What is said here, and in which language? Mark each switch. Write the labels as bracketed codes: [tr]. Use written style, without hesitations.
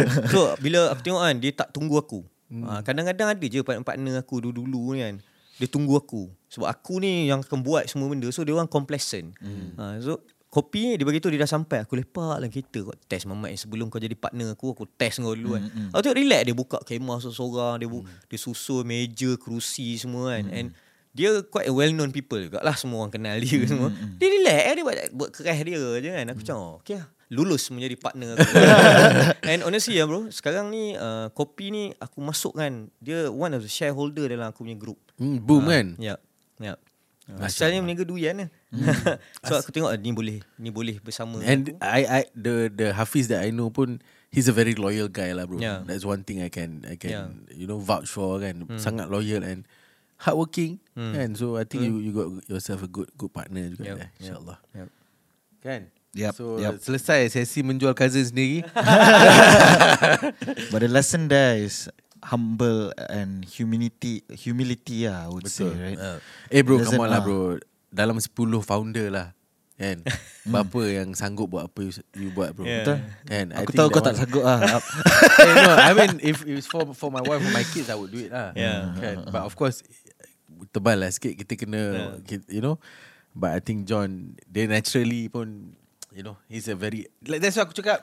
[ms] So bila aku tengok kan, dia tak tunggu aku. Kadang-kadang ada je partner aku dulu-dulu ni kan, dia tunggu aku. Sebab aku ni yang akan buat semua benda. So dia orang complacent. So kopi ni dia beritahu dia dah sampai. Aku lepak dalam kereta. Kau test mamat sebelum kau jadi partner aku. Aku test kau dulu kan. Aku tengok relax. Dia buka kemah seseorang. Dia dia susun meja, kerusi semua kan. [en] And dia quite well known people juga lah. [ms] Semua orang kenal dia semua. Dia relax. Dia buat keras dia je kan. Aku macam okay lah. Lulus menjadi partner aku. And honestly ya bro, sekarang ni kopi ni aku masukkan dia [en] one of the shareholder [ms] dalam aku punya group. Boom kan. Ya. Ya. Asalnya meniaga duit kan. So aku tengok ni boleh, ni boleh bersama. [en] And I the Hafiz that I know pun, he's a very loyal guy lah bro. Yeah. That's one thing I can you know vouch for kan. Sangat loyal and hardworking. And so I think you got yourself a good partner juga. Yep. Yeah, insyaallah. Yep. Kan? Yep, so yep. [ms] Selesai sesi menjual cousin sendiri. [en] But the lesson there is humble and humility lah, I would betul. Say right. [ms] Eh bro, [en] come on [ms] lah bro. Dalam 10 founder lah kan. Berapa yang sanggup buat apa you buat bro. Betul. Kan? Aku tahu kau tak sanggup lah. [en] Hey, no, I mean if it's for my wife, for my kids, I would do it lah. Yeah. [ms] Kan? [en] But of course [ms] tebal lah sikit kita kena [en] you know. But I think John, they naturally pun, you know, he's a very, like, that's why [ms] aku cakap